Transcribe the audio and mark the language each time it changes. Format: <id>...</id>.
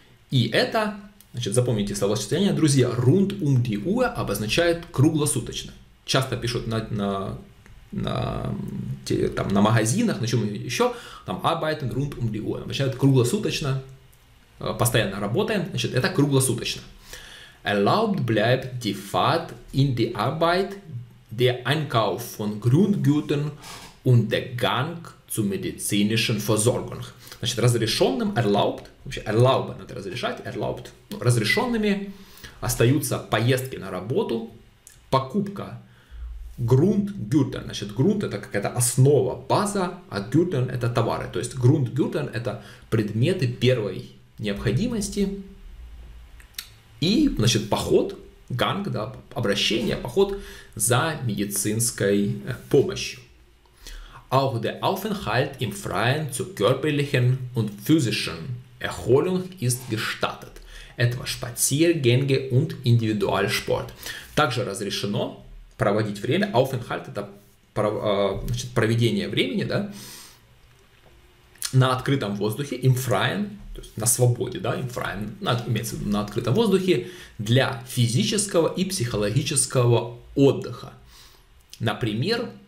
<ru>И это, значит, запомните словосочетание, друзья,</ru> <de>rund die Uhr</de> <ru>обозначает круглосуточно. Часто пишут на магазинах, на чем еще, там</ru> <de>arbeiten rund die Uhr.</de> <ru>Значит, круглосуточно, постоянно работаем, значит, это круглосуточно.</ru> <de>Erlaubt bleibt die Fahrt in die Arbeit, der Einkauf von Grundgütern und der Gang zu medizinischen Versorgung.</de> <ru>Значит, разрешенным, erlaubt, вообще erlauben, надо разрешать, erlaubt. Ну, разрешенными остаются поездки на работу, покупка Grundgüter, значит, Grund – это какая-то основа, база, а Gütern – это товары. То есть Grundgüter – это предметы первой необходимости. И, значит, поход, Gang, да, обращение, поход за медицинской помощью.</ru> <de>Auch der Aufenthalt im Freien zur körperlichen und physischen Erholung ist gestattet. Etwa Spaziergänge und Individualsport.</de> <ru>Также разрешено проводить время. Aufenthalt – это, значит, проведение времени, да, на открытом воздухе,</ru> <de>im Freien,</de> <ru>то есть на свободе, да, im Freien, имеется в виду на открытом воздухе, для физического и психологического отдыха. Например,</ru>